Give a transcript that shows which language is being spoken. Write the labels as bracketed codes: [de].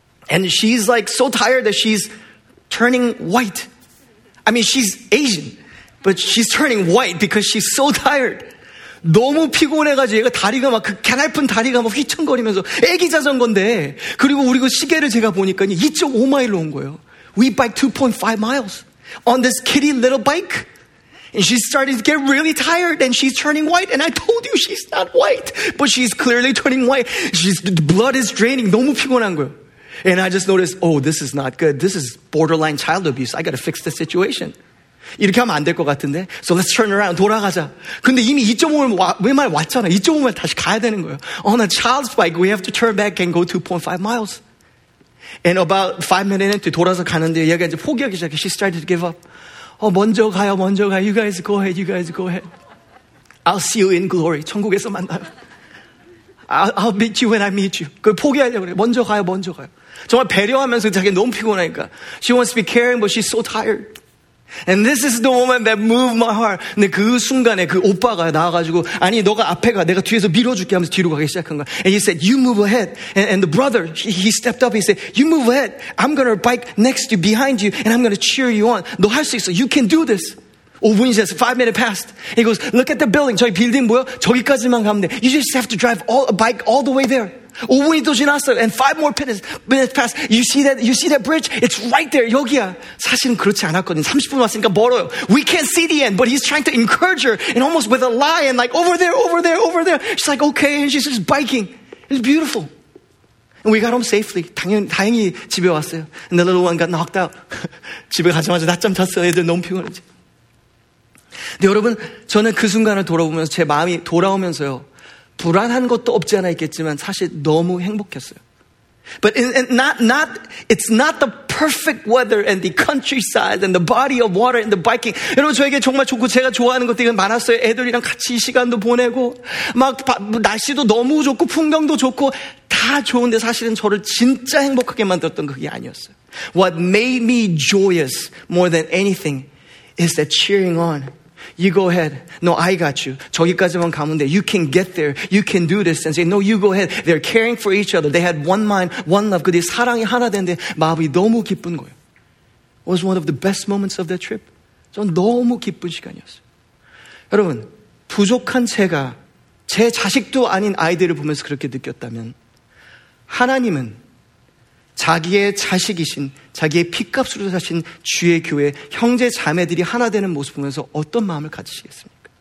[en] And she's like so tired that she's turning white. I mean, she's Asian, but she's turning white because she's so tired. [ko] 너무 피곤해가지고 얘가 다리가 막 그 갸날픈 다리가 막 휘청거리면서 애기 자전거인데 그리고 우리 그 시계를 제가 보니까 2.5마일로 온 거예요. [en] We bike 2.5 miles on this kitty little bike. And she started to get really tired and she's turning white. And I told you she's not white, but she's clearly turning white. She's, the blood is draining. [ko] 너무 피곤한 거예요. [en] And I just noticed, oh, this is not good. This is borderline child abuse. I got to fix the situation. [ko] 이렇게 하면 안 될 것 같은데. [en] So let's turn around. [ko] 돌아가자. 근데 이미 2.5마일 왔잖아. 2.5마일 다시 가야 되는 거예요. [en] On a child's bike, we have to turn back and go 2.5 miles. And about 5 minutes into [ko] 돌아서 가는데 얘가 이제 포기하기 시작해. [en] She started to give up. [ko] 어, 먼저 가요. 먼저 가요. [en] You guys go ahead. You guys go ahead. I'll see you in glory. [ko] 천국에서 만나요. [en] I'll meet you when I meet you. [ko] 그걸 포기하려고 그래. 먼저 가요. 먼저 가요. 정말 배려하면서 자기 너무 피곤하니까. [en] She wants to be caring, but she's so tired. And this is the moment that moved my heart. [ko] 근데 그 순간에 그 오빠가 나와가지고 아니 너가 앞에 가 내가 뒤에서 밀어줄게 하면서 뒤로 가기 시작한 거야. [en] And he said, you move ahead. And the brother, he stepped up. He said, you move ahead. I'm going to bike next to you, behind you. And I'm going to cheer you on. [ko] 너 할 수 있어. [en] You can do this. [ko] 5분이 지났어. [en] 5 minutes passed. He goes, look at the building. [ko] 저희 빌딩 보여? 저기까지만 가면 돼. [en] You just have to drive a bike all the way there. [ko] 5분이 또 지났어. [en] And 5 more minutes passed. You see that bridge? It's right there. [ko] 여기야. 사실은 그렇지 않았거든. 30분 왔으니까 멀어요. [en] We can't see the end, but he's trying to encourage her and almost with a lie and like, over there, over there, over there. She's like, okay. And she's just biking. It's beautiful. And we got home safely. [ko] 다행히 집에 왔어요. [en] And the little one got knocked out. [ko] 집에 가자마자 낮잠 잤어요. 애들 너무 피곤했지. 근데 여러분 저는 그 순간을 돌아보면서 제 마음이 돌아오면서요 불안한 것도 없지 않아 있겠지만 사실 너무 행복했어요. [en] But not it's not the perfect weather and the countryside and the body of water and the biking. [ko] 여러분 저에게 정말 좋고 제가 좋아하는 것들이 많았어요. 애들이랑 같이 시간도 보내고 막 날씨도 너무 좋고 풍경도 좋고 다 좋은데 사실은 저를 진짜 행복하게 만들었던 그게 아니었어요. [en] What made me joyous more than anything is that cheering on. You go ahead. No, I got you. [ko] 저기까지만 가면 돼. [en] You can get there. You can do this. And say, no, you go ahead. They're caring for each other. They had one mind, one love. [ko] 그들이 사랑이 하나 된데 마음이 너무 기쁜 거예요. [en] It was one of the best moments of that trip. [ko] 전 너무 기쁜 시간이었어요. 여러분, 부족한 제가 제 자식도 아닌 아이들을 보면서 그렇게 느꼈다면 하나님은 자기의 자식이신 자기의 피값으로 사신 주의 교회 형제 자매들이 하나 되는 모습 보면서 어떤 마음을 가지시겠습니까?